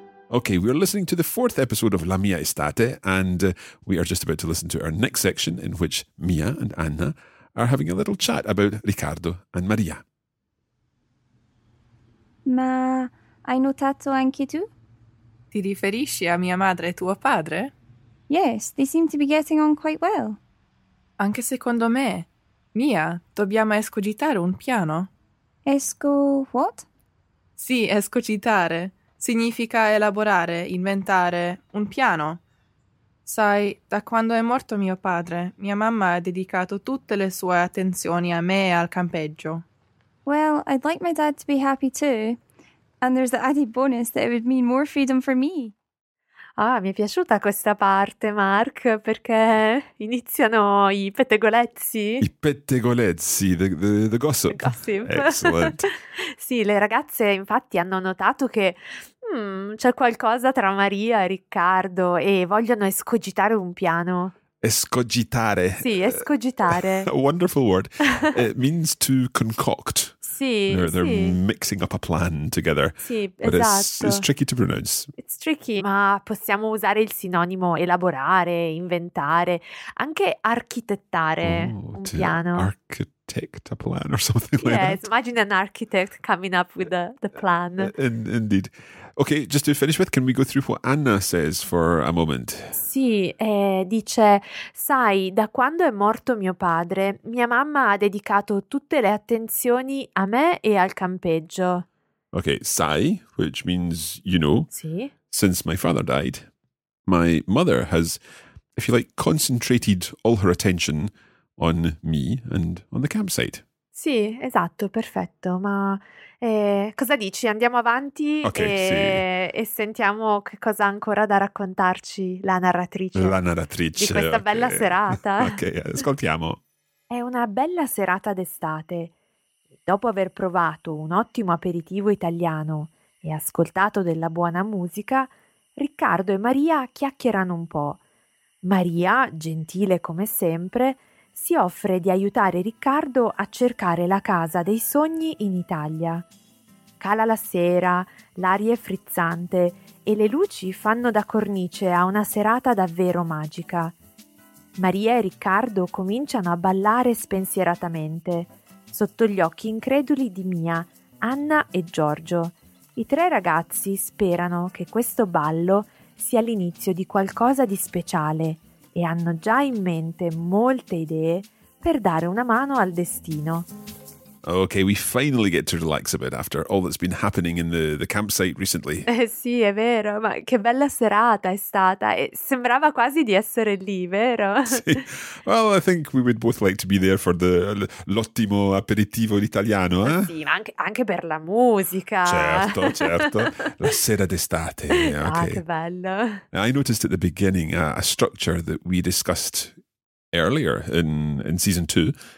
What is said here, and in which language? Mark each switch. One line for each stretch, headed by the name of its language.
English: Okay, we're listening to the fourth episode of La Mia Estate, and we are just about to listen to our next section in which Mia and Anna are having a little chat about Riccardo and Maria.
Italian: Ma hai notato anche tu? Ti riferisci a mia madre e tuo padre?
English: Yes, they seem to be getting on quite well.
Italian: Anche secondo me. Mia, dobbiamo escogitare un piano.
English: Esco what?
Italian: Sì, escogitare. Significa elaborare, inventare, un piano. Sai, da quando è morto mio padre, mia mamma ha dedicato tutte le sue attenzioni a me e al campeggio.
English: Well, I'd like my dad to be happy too. And there's the added bonus that it would mean more freedom for me.
Italian: Ah, mi è piaciuta questa parte, Mark, perché iniziano i pettegolezzi. I pettegolezzi, the gossip.
English: The gossip. Excellent.
Italian: Sì, le ragazze infatti hanno notato che c'è qualcosa tra Maria e Riccardo e vogliono escogitare un piano. Escogitare. Sì, escogitare.
English: A wonderful word. It means to concoct.
Italian: Sì,
English: they're
Italian: sì.
English: Mixing up a plan together.
Italian: Sì,
English: but
Italian: esatto.
English: It's tricky to pronounce. It's tricky.
Italian: Ma possiamo usare il sinonimo elaborare, inventare, anche architettare un piano.
English: Architect a plan or something like that. Yes, imagine an architect coming up with the plan. Indeed. Okay, just to finish with, can we go through what Anna says for a moment?
Italian: Sì, dice, sai, da quando è morto mio padre, mia mamma ha dedicato tutte le attenzioni a me e al campeggio.
English: Okay, sai, which means you know.
Italian: Sì.
English: Since my father died, my mother has, if you like, concentrated all her attention on me and on the campsite.
Italian: Sì, esatto, perfetto, ma... cosa dici? Andiamo avanti e sentiamo che cosa ha ancora da raccontarci la narratrice di questa bella serata. Ok, ascoltiamo. È una bella serata d'estate. Dopo aver provato un ottimo aperitivo italiano e ascoltato della buona musica, Riccardo e Maria chiacchierano un po'. Maria, gentile come sempre, si offre di aiutare Riccardo a cercare la casa dei sogni in Italia. Cala la sera, l'aria è frizzante e le luci fanno da cornice a una serata davvero magica. Maria e Riccardo cominciano a ballare spensieratamente, sotto gli occhi increduli di Mia, Anna e Giorgio. I tre ragazzi sperano che questo ballo sia l'inizio di qualcosa di speciale e hanno già in mente molte idee per dare una mano al destino.
English: Okay, we finally get to relax a bit after all that's been happening in the campsite recently.
Italian: Sì, è vero, ma che bella serata è stata. Sembrava quasi di essere lì, vero? Sì.
English: Well, I think we would both like to be there for l'ottimo aperitivo italiano, eh?
Italian: Sì, ma anche per la musica. Certo, certo. La sera d'estate. Okay. Ah, che bello.
English: I noticed at the beginning a structure that we discussed earlier in season 2.